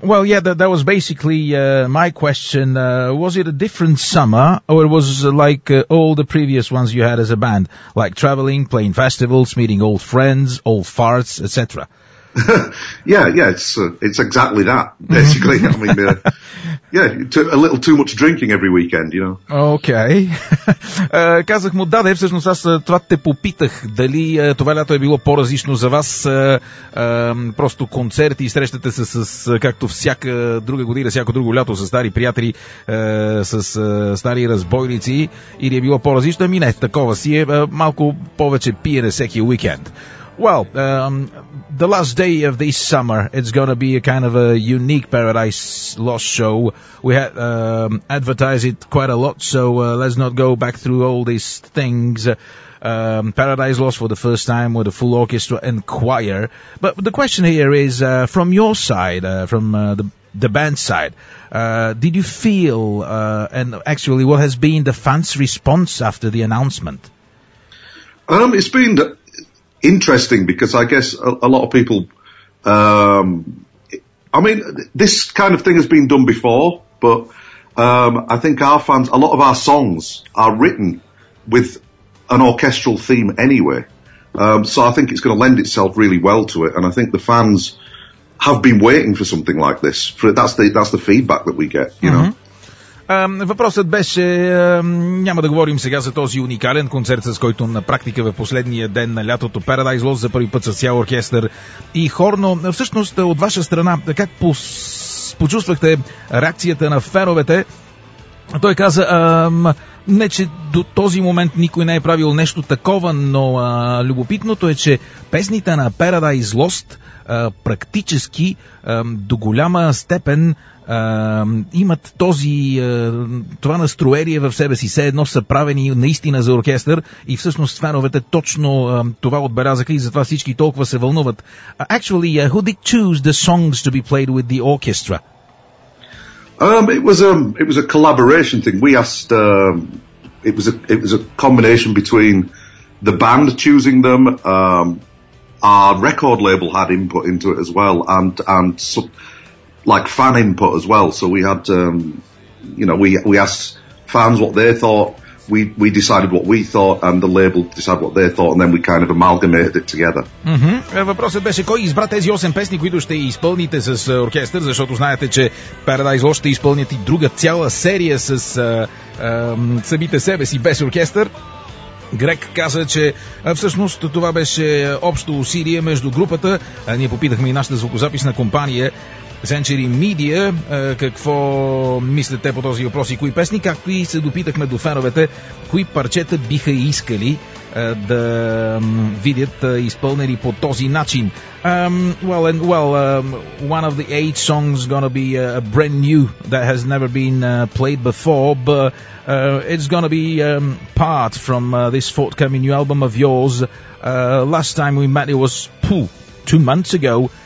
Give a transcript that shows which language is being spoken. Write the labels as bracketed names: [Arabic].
[English] Well, yeah, that was basically my question. Was it a different summer or was it like all the previous ones you had as a band, like traveling, playing festivals, meeting old friends, old farts, etc.? yeah, it's exactly that, basically. I mean, a little too much drinking every weekend, you know. Okay. [Bulgarian] Казах му, да, всъщност аз това те попитах, дали това лято е било по-различно за вас, просто концерти, срещате се с, както всяка друга година, всяко друго лято, с стари приятели, с стари разбойници, или е било по-различно? Ами не, такова си е, малко повече пиене всеки уикенд. [English] Well, the last day of this summer, it's going to be a kind of a unique Paradise Lost show. We had advertised it quite a lot, so let's not go back through all these things. Paradise Lost for the first time with a full orchestra and choir. But the question here is, from your side, from the band side, did you feel, and actually what has been the fans' response after the announcement? It's been interesting, because I guess a lot of people, I mean, this kind of thing has been done before, but I think our fans, a lot of our songs are written with an orchestral theme anyway. So I think it's going to lend itself really well to it. And I think the fans have been waiting for something like this. That's the feedback that we get, you know. [Bulgarian] Въпросът беше, няма да говорим сега за този уникален концерт, с който на практика в последния ден на лятото Paradise Lost за първи път с цял оркестър и хор, но всъщност от ваша страна, как почувствахте реакцията на феновете? Той каза, не че до този момент никой не е правил нещо такова, но любопитното е, че песните на Paradise Lost практически до голяма степен имат този това настроение в себе си. Все едно са правени наистина за оркестър и всъщност феновете точно това отбелязаха и затова всички толкова се вълнуват. [English] Actually, who did choose the songs to be played with the orchestra? It was a collaboration thing. We asked it was a combination between the band choosing them, our record label had input into it as well, and so, like fan input as well. So we had we asked fans what they thought, we decided what we thought, and the label decided what they thought, and then we kind of amalgamated it together. Mm-hmm. [Bulgarian] Въпросът беше кой избра тези 8 песни, които ще изпълните с оркестър, защото знаете, че Paradise Lost ще изпълнят и друга цяла серия с самите себе си без оркестър. Грег каза, че всъщност това беше общо усилие между групата. Ние попитахме и нашата звукозаписна компания Century Media какво мислят те по този въпрос и кои песни, както и се допитахме до феновете кои парчета биха искали да видят изпълнени по този начин. [English] One of the 8 songs gonna be brand new that has never been played before, but it's gonna be part from this forthcoming new album of yours. Last time we met it was 2 months ago.